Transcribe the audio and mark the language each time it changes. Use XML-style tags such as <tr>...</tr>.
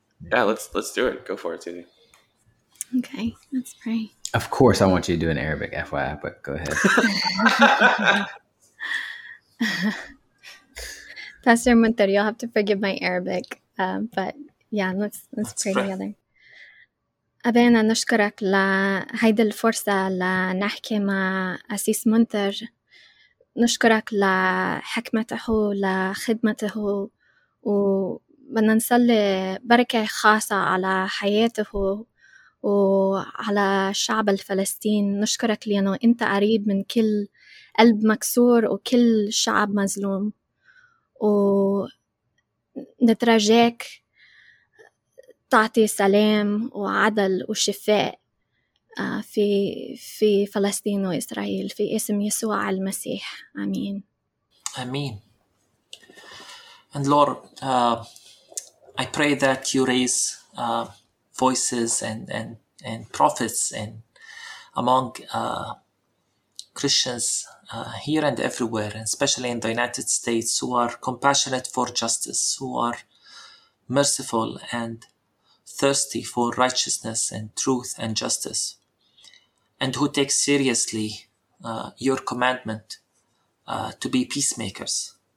<en>Yeah, let's do it. Go for it, Susie. Okay, let's pray. Of course, I want you to do an Arabic, FYI, but go ahead. Pastor Munther, you'll have to forgive my Arabic, but... Yeah, let's pray together.</en> <ar>أبانا نشكرك لهذه الفرصة لنحكي مع أسيس منتر. نشكرك لحكمته لخدمته وبدنا نصلي بركة خاصة على حياته وعلى شعب الفلسطين. نشكرك لأنه أنت قريب من كل قلب مكسور وكل شعب مظلوم ونترجاك تعطي سلام وعدل وشفاء في فلسطين وإسرائيل في اسم يسوع المسيح. آمين. آمين.</ar> <en>And Lord, I pray that you raise voices and prophets and among Christians here and everywhere, and especially in the United States, who are compassionate for justice, who are merciful and thirsty for righteousness and truth and justice, and who take seriously your commandment to be peacemakers.</en>